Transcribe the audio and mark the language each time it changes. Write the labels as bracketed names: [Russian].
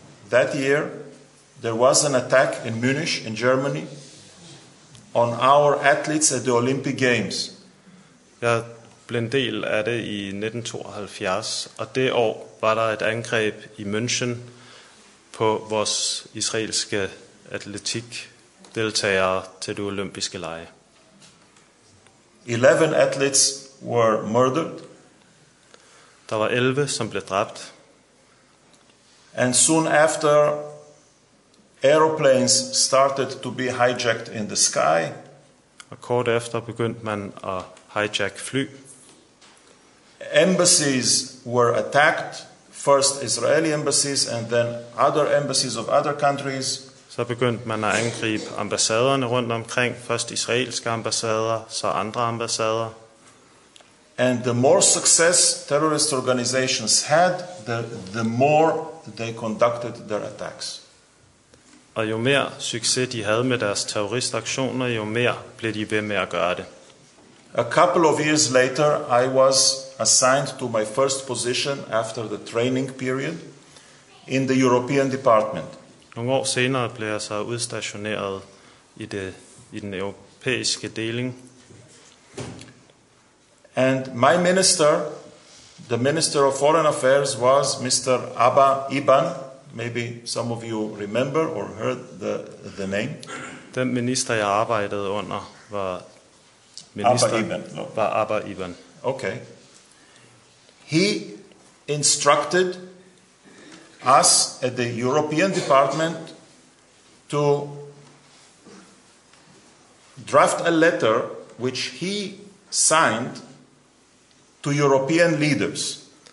[English] That year, there was an attack in Munich, in Germany, on our athletes at the Olympic Games. [Danish] Jeg blev en del af det i 1972, og det år var der et angreb i München på vores israelske atletikdeltagere til de olympiske lege. [English] 11 athletes were murdered. [Danish] Der var 11, som blev dræbt. [English] And soon after, aeroplanes started to be hijacked in the sky. [Danish] Og kort efter begyndte man at hijack fly. [English] embassies were attacked, first Israeli embassies and then other embassies of other countries. [Danish] Så begyndte man at angribe ambassaderne rundt omkring, først israelske ambassader, så andre ambassader. [English] And the more success terrorist organizations had, the more they conducted their attacks. [Danish] Og jo mere succes de havde med deres terroristaktioner, jo mere blev de ved med at gøre det. [English] A couple of years later, I was assigned to my first position after the training period in the European Department. [Danish] Nogle år senere blev jeg så udstationeret i den europæiske deling. [English] And my minister, the Minister of Foreign Affairs, was Mr. Abba Iban. Maybe some of you remember or heard the name. [Danish] Den minister jeg arbejdede under var minister Abba Iban. [English] Okay. He instructed us at the European Department to draft a letter which he signed to European leaders.